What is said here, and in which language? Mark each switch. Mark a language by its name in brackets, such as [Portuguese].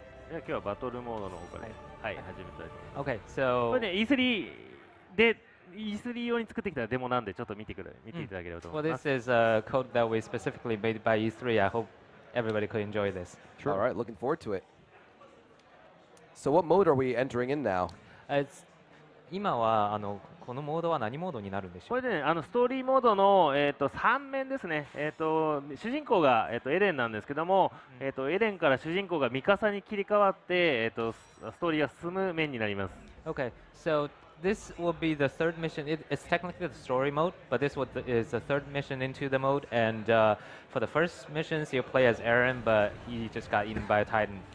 [Japanese] 今日はバトルモードの方から、はいはい、始めたいと思います。 [English] Okay, so [Japanese] これね、E3 用に作ってきたデモなんで、ちょっと見てくれ、見ていただければと思います。 [English] Well, this is a code that we specifically made by E3. I hope everybody could enjoy this. Sure. All right, looking forward to it. So what mode are we entering in now? It's [Japanese] 今はあのこのモードは何モードになるんでしょう。これでね、あのストーリーモードの3面ですね。主人公が、エレンなんですけども、エレンから主人公がミカサに切り替わって、ストーリーが進む面になります。 [English] Okay, so this will be the third mission. It's technically the story mode, but this is the third mission into the mode. And for the first missions, you play as Eren, but he just got eaten by a Titan.